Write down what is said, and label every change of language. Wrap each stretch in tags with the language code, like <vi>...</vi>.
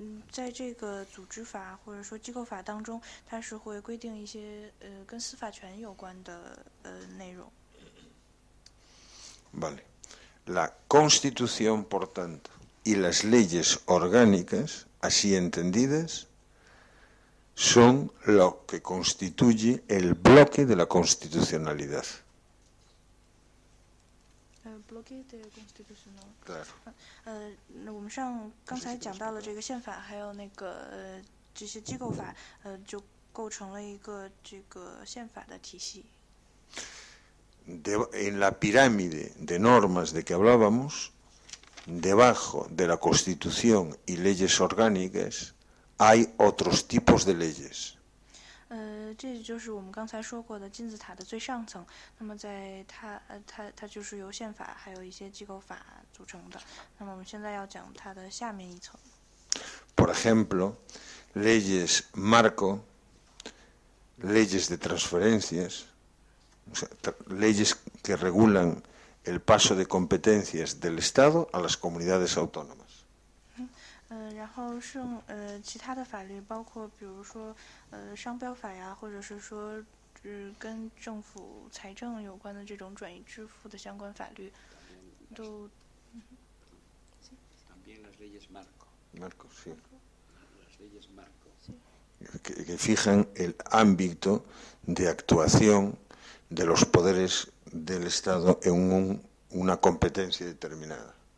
<zh>在这个组织法或者说机构法当中，它是会规定一些跟司法权有关的内容。</zh> <es>Vale, la Constitución, por tanto, y las leyes orgánicas, así entendidas. Son lo que constituye el bloque de la constitucionalidad. El bloque de constitucionalidad. Claro.</es> <zh>我们上刚才讲到了这个宪法，还有那个这些机构法，就构成了一个这个宪法的体系。</zh> <es>En la pirámide de normas de que hablábamos, debajo de la constitución y leyes orgánicas. Hay otros tipos de leyes.</es> <zh>这就是我们刚才说过的金字塔的最上层。那么在它就是由宪法还有一些机构法组成的。那么我们现在要讲它的下面一层。</zh> <es>Por ejemplo, leyes marco, leyes de transferencias, o sea, leyes que regulan el paso de competencias del Estado a las comunidades autónomas.</es> <zh>然后剩其他的法律，包括比如说商标法呀，或者是说跟政府财政有关的这种转移支付的相关法律，都。</zh> <es>También las leyes marco. Marco, sí. Las leyes marco. Que fijan el ámbito de actuación de los poderes del Estado en una competencia determinada.</es>